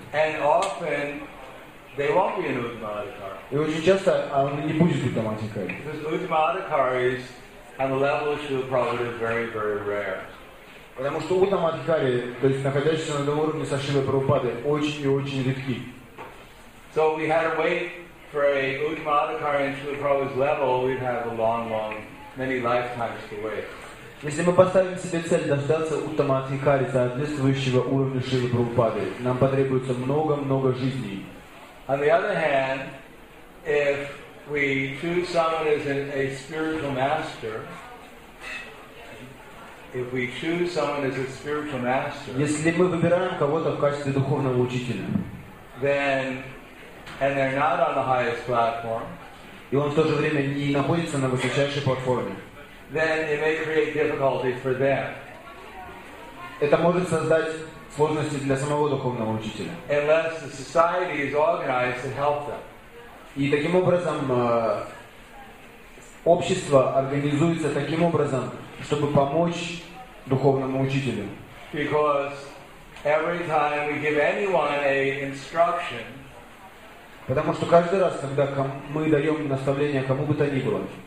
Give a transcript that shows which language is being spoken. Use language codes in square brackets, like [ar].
[en] And often they won't be an Uttama Adhikari. [ru] И очень часто он не будет Uttama Adhikari. [en] Because Uttama Adhikari is on the level of Srila Prabhupada is very, very rare. [ru] Потому что Uttama Adhikari, то есть находящиеся на уровне со Шрилой Прабхупадой, очень и очень редки. [en] So we had to wait for a Uttama Adhikari and Srila Prabhupada's level, we'd have a long, long, many lifetimes to wait. [ru] Если мы поставим себе цель дождаться Uttama Adhikari, соответствующего уровню Шрилы Прабхупады, нам потребуется много-много жизней. [en] On the other hand, if we choose someone as a spiritual master, if we choose someone as a spiritual master, [ru] если мы выбираем кого-то в качестве духовного учителя, [en] then, and they're not on the highest platform, [ru] и он в то же время не находится на высочайшей платформе, [en] then it may create difficulty for them. [ru] Это может создать сложности для самого духовного учителя. [en] Unless the society is organized to help them. [ru] И таким образом общество организуется таким образом, чтобы помочь духовному учителю. [en] Because every time we give anyone a instruction, [ru] потому что каждый раз, когда мы даем наставление кому бы то ни было,